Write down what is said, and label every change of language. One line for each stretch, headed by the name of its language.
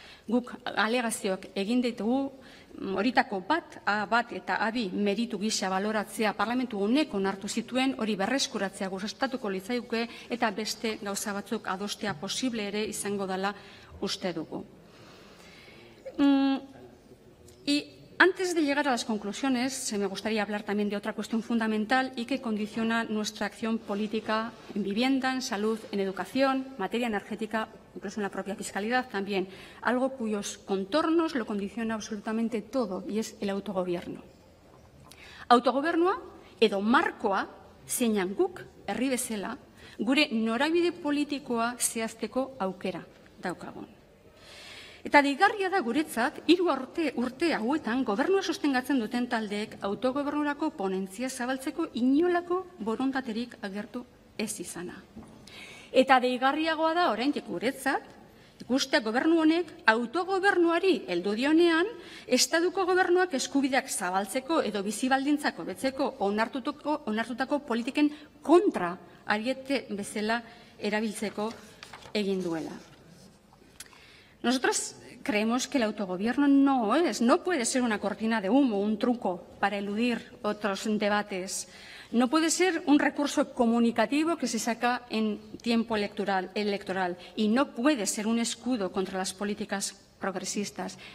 Basque: Guk alegazioak egin ditugu, horitako bat, A bat eta A bi meritu gisa baloratzea parlamentu honek onartu zituen, hori berreskuratzea gustatuko litzaiguke, eta beste gauza batzuk adostea posible ere izango dela uste dugu.
Spanish: Y antes de llegar a las conclusiones, se me gustaría hablar también de otra cuestión fundamental y que condiciona nuestra acción política en vivienda, en salud, en educación, materia energética, incluso en la propia fiscalidad también, algo cuyos contornos lo condiciona absolutamente todo, y es el autogobierno.
Basque: Autogobernua edo markoa zeinan guk herri bezala gure norabide politikoa zehazteko aukera daukagun. Eta deigarria da guretzat, hiru urte hauetan gobernua sostengatzen duten taldeek autogobernurako ponentzia zabaltzeko inolako borondaterik agertu ez izana. Eta deigarriagoa da oraindik guretzat, ikustea gobernu honek autogobernuari heldu dionean, estatuko gobernuak eskubideak zabaltzeko edo bizibaldintzako betzeko onartutako politiken kontra ariete bezala erabiltzeko egin duela.
Spanish: Nosotros creemos que el autogobierno no puede ser una cortina de humo, un truco para eludir otros debates. No puede ser un recurso comunicativo que se saca en tiempo electoral. Y no puede ser un escudo contra las políticas progresistas.